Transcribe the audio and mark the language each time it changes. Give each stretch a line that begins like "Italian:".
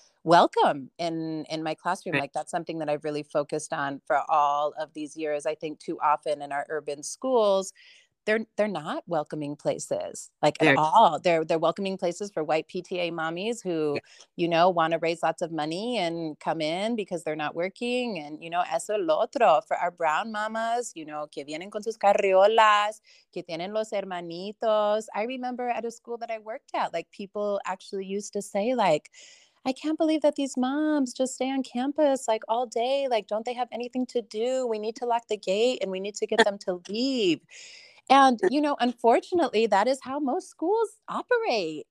English: welcome in my classroom. Right. Like, that's something that I've really focused on for all of these years. I think too often in our urban schools, they're not welcoming places, like, at all. They're welcoming places for white PTA mommies who, you know, want to raise lots of money and come in because they're not working. And, you know,
Spanish: eso es lo otro
English: for our brown mamas, you know,
Spanish: que vienen con sus carriolas, que tienen los hermanitos.
English: I remember at a school that I worked at, like, people actually used to say, like, I can't believe that these moms just stay on campus like all day. Like, don't they have anything to do? We need to lock the gate and we need to get them to leave. And, you know, unfortunately, that is how most schools operate.